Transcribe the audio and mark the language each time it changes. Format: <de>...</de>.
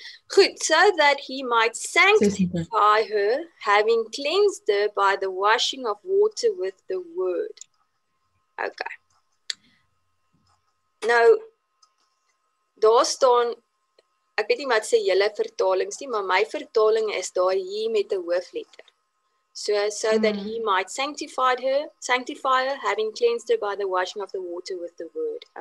<en>Goed, so that he might sanctify her, having cleansed her by the washing of water with the word. Okay.</en> <af>Nou, daar staan, ek weet nie wat sê julle vertalings nie, maar my vertaling is daar hier met 'n hoofletter.</af> <en>So that he might sanctify her, having cleansed her by the washing of the water with the word.</en>